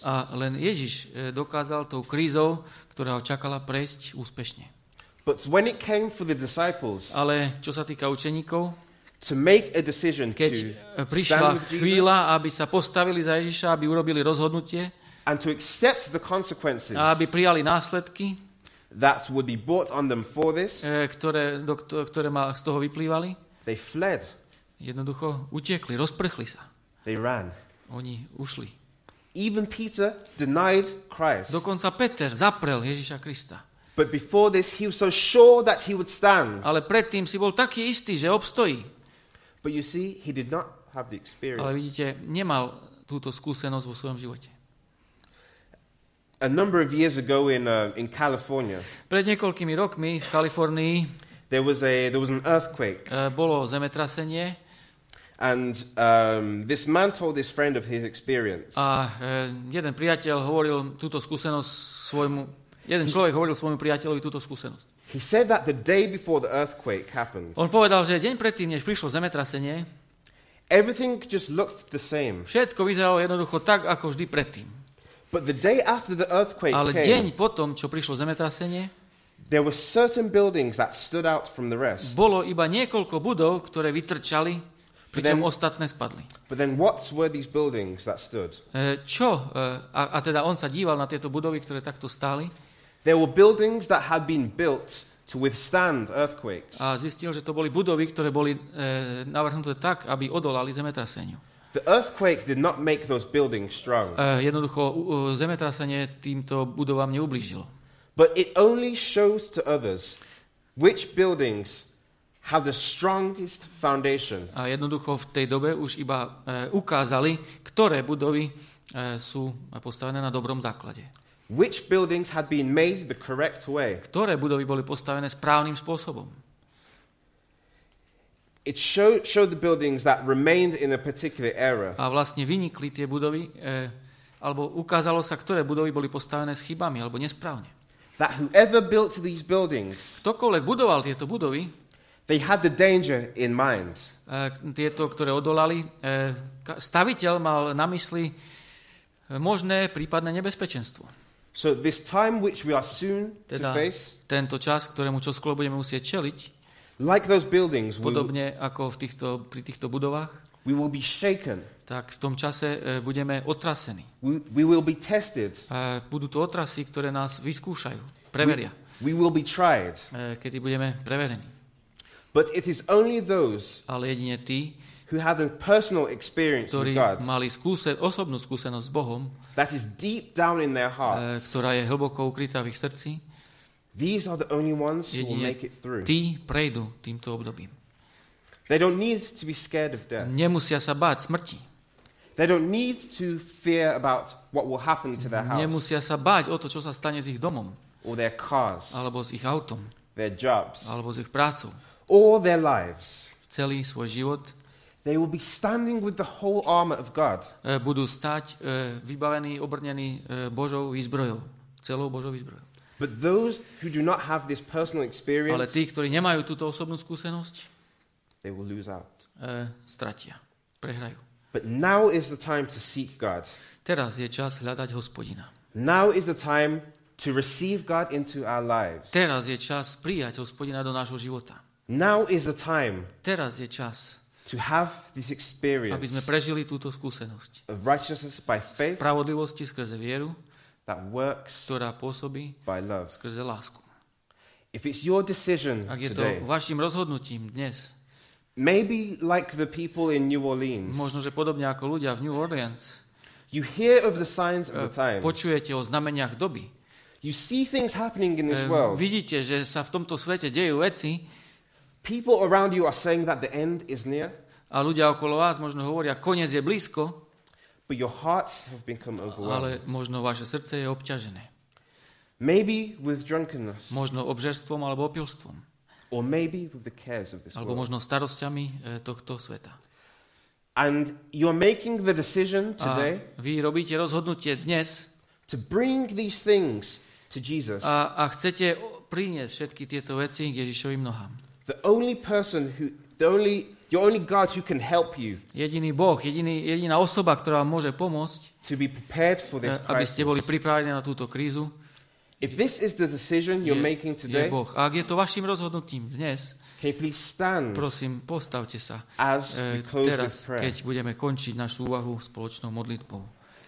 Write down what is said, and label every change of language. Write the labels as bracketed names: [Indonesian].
[Slovak] A len Ježiš dokázal tou krízou, ktorá ho čakala, prejsť úspešne. [English] But when it came for the disciples, [Slovak] ale čo sa týka učeníkov, [English] to make a decision [Slovak] keď to prišla chvíľa, [English] Jesus, [Slovak] aby sa postavili za Ježiša, aby urobili rozhodnutie [English] and to accept the consequences, [Slovak] a aby prijali následky, [English] that would be brought on them for this. [Slovak] Ktoré ma z toho vyplývali. [English] They fled. [Slovak] Jednoducho utiekli, rozprchli sa. [English] They ran. [Slovak] Oni ušli. [English] Even Peter denied Christ. [Slovak] Dokonca Peter zaprel Ježiša Krista. [English] But before this he was so sure that he would stand. [Slovak] Ale predtým si bol taký istý, že obstojí. [English] But you see, he did not have the experience. [Slovak] Ale vidíte, nemal túto skúsenosť vo svojom živote. [English] A number of years ago in California. [Slovak] Pred niekoľkými rokmi v Kalifornii. [English] There was an earthquake. [Slovak] Bolo zemetrasenie. [English] And this man told this friend of his experience. [Slovak] A jeden priateľ hovoril túto skúsenosť svojmu jeden človek hovoril svojmu priateľovi túto skúsenosť. [English] He said that the day before the earthquake happened. [Slovak] On povedal, že deň predtým, než prišlo zemetrasenie, [English] everything just looked the same. [Slovak] Všetko vyzeralo jednoducho tak ako vždy predtým. [English] But the day after the earthquake came. [Slovak] Ale deň potom, čo prišlo zemetrasenie, [English] there were certain buildings that stood out from the rest. [Slovak] Bolo iba niekoľko budov, ktoré vytrčali, pričom ostatné spadli. [English] But then what were these buildings that stood? [Slovak] A teda on sa díval na tieto budovy, ktoré takto stáli. [English] There were buildings that had been built to withstand earthquakes. [Slovak] A zistil, že to boli budovy, ktoré boli navrhnuté tak, aby odolali zemetraseniu. [English] The earthquake did not make those buildings strong. [Slovak] Jednoducho zemetrasenie týmto budovám neublížilo. [English] But it only shows to others which buildings have the strongest foundation. [Slovak] A jednoducho v tej dobe už iba ukázali, ktoré budovy sú postavené na dobrom základe. [English] Which buildings had been made the correct way. [Slovak] Ktoré budovy boli postavené správnym spôsobom. [English] It showed the buildings that remained in a particular era. [Slovak] A vlastne vynikli tie budovy, alebo ukázalo sa, ktoré budovy boli postavené s chybami alebo nesprávne. [English] That whoever built these buildings, [Slovak] ktokoľvek budoval tieto budovy, [English] they had the danger in mind. [Slovak] Tieto, ktoré odolali, staviteľ mal na mysli možné prípadné nebezpečenstvo. [English] So this time which we are soon [Slovak] teda [English] to face, [Slovak] tento čas, ktorému čoskoro budeme musieť čeliť, [English] like those buildings, [Slovak] podobne ako v týchto, pri týchto budovách, [English] we will be shaken. [Slovak] Tak v tom čase budeme otrasení. [English] We will be tested. [Slovak] Budú to otrasy, ktoré nás vyskúšajú, preveria. [English] We will be tried. [Slovak] Kedy budeme preverení. [English] But it is only those, [Slovak] ale jedine tí, [English] who have a personal experience [Slovak] ktorí [English] with God, [Slovak] mali osobnú skúsenosť s Bohom, [English] that is deep down in their hearts, [Slovak] ktorá je hlboko ukrytá v ich srdci, [English] these are the only ones who will make it through. [Slovak] Tí prejdú týmto obdobím. [English] They don't need to be scared of death. [Slovak] Nemusia sa báť smrti. [English] They don't need to fear about what will happen to their house. [Slovak] Nemusia sa báť o to, čo sa stane s ich domom. [English] Or their cars. [Slovak] Alebo s ich autom. [English] Their jobs. [Slovak] Alebo s ich prácou. [English] Or their lives. [Slovak] Celý svoj život. [English] They will be standing with the whole armor of God. [Slovak] Budú stáť vybavení, obrnení Božou výzbrojou. Celou Božou výzbrojou. [English] But those who do not have this personal experience, [Slovak] ale tí, ktorí nemajú túto osobnú skúsenosť, [English] they will lose out. [Slovak] Stratia, prehrajú. [English] But now is the time to seek God. [Slovak] Teraz je čas hľadať Hospodina. [English] Now is the time to receive God into our lives. [Slovak] Teraz je čas prijať Hospodina do nášho života. [English] Now is the time. [Slovak] Teraz je čas [English] to have this experience. [Slovak] Aby sme prežili túto skúsenosť. [English] Of righteousness by faith. [Slovak] Spravodlivosti skrze vieru. [English] That works, [Slovak] ktorá pôsobí [English] by love, [Slovak] skrze lásku. [English] If it's your decision today, [Slovak] ak je to vašim rozhodnutím dnes, [English] maybe like the people in New Orleans, [Slovak] možno že podobne ako ľudia v New Orleans, [English] you hear of the signs of the times, [Slovak] počujete o znameniach doby, [English] you see things happening in this world, [Slovak] vidíte, že sa v tomto svete dejú veci, [English] people around you are saying that the end is near, [Slovak] a ľudia okolo vás možno hovoria, koniec je blízko. [English] But your hearts have become overwhelmed. [Slovak] Ale možno vaše srdce je obťažené. [English] Maybe with drunkenness. [Slovak] Možno obžerstvom alebo opilstvom. [English] Or maybe with the cares of this world. [Slovak] Alebo možno starosťami tohto sveta. [English] And you're making the decision today. [Slovak] Vy robíte rozhodnutie dnes. [English] To bring these things to Jesus. [Slovak] A chcete priniesť všetky tieto veci k Ježišovým nohám. [English] The only person who the only God who can help you. [Slovak] Jediný Boh, jediná osoba, ktorá vám môže pomôcť. [English] To be prepared for this crisis. [Slovak] Aby ste boli pripravení na túto krízu. [English] If this is the decision you're making today. [Slovak] Je Boh. A ak je to vašim rozhodnutím dnes. [English] Can you please stand? [Slovak] Prosím, postavte sa. [English] As we close [Slovak] teraz, [English] with prayer. [Slovak] Keď budeme končiť našu úvahu spoločnou modlitbou.